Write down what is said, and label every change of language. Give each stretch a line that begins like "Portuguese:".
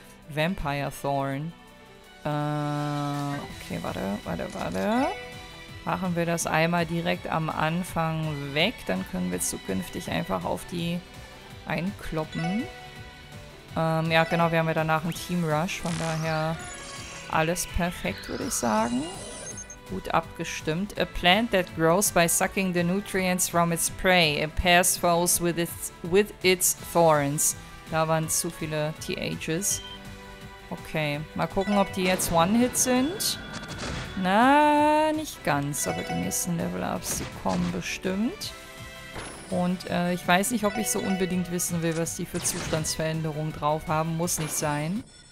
German: Vampire Thorn. Okay, warte. Machen wir das einmal direkt am Anfang weg. Dann können wir zukünftig einfach auf die einkloppen. Ja, genau, wir haben ja danach einen Team Rush, von daher alles perfekt, würde ich sagen. Gut abgestimmt.
English: A plant that grows by sucking the nutrients from its prey. It pairs foes with its thorns.
German: Da waren zu viele THs. Okay, mal gucken, ob die jetzt One-Hit sind. Na, nicht ganz, aber die nächsten Level-Ups, die kommen bestimmt. Und ich weiß nicht, ob ich so unbedingt wissen will, was die für Zustandsveränderungen drauf haben. Muss nicht sein.